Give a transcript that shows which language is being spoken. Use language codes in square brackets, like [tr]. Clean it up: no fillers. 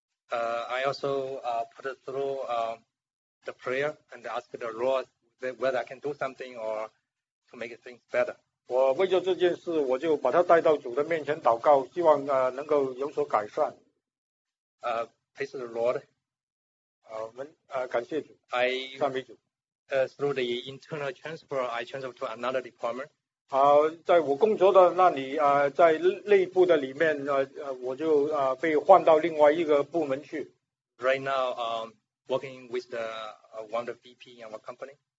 [en] I also put it through the prayer and asked the Lord whether I can do something or to make things better. [zh] 我为着这件事，我就把它带到主的面前祷告，希望能够有所改善。 [en] Praise the Lord. [zh] 感谢主。赞美主。 [en] Through the internal transfer, I transfer to another department. [zh] 在我工作的那里在内部的里面我就被换到另外一个部门去。 [en] Right now, working with the one of the VP in our company.